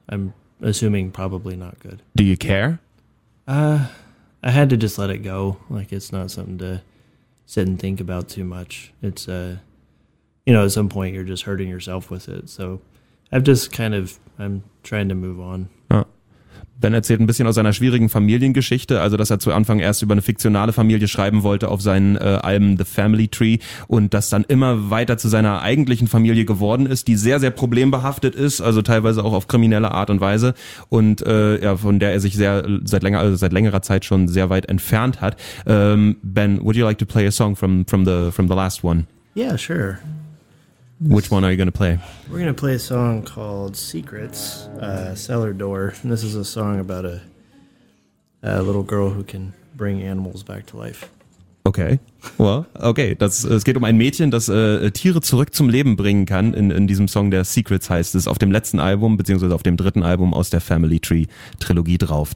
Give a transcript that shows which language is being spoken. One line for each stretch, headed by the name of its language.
English: I'm assuming probably not good. Do you care? I had to just let it go. Like, it's not something to sit and think about too much. It's, you know, at some point you're just hurting yourself with it. So I've just kind of, I'm trying to move on.
German: Ben erzählt ein bisschen aus seiner schwierigen Familiengeschichte, also dass er zu Anfang erst über eine fiktionale Familie schreiben wollte auf seinen Alben The Family Tree und das dann immer weiter zu seiner eigentlichen Familie geworden ist, die sehr, sehr problembehaftet ist, also teilweise auch auf kriminelle Art und Weise und von der er sich seit längerer Zeit schon sehr weit entfernt hat.
English: Ben, would you like to play a song from the last one? Yeah, sure. Which one are you going to play? We're going to play a song called Secrets, Cellar Door. And this is a song about a little girl who can bring animals back to life. Okay. Well, okay.
German: Es geht um ein Mädchen, das Tiere zurück zum Leben bringen kann. In diesem Song, der Secrets heißt, ist auf dem letzten Album, beziehungsweise auf dem dritten Album aus der Family Tree Trilogie drauf.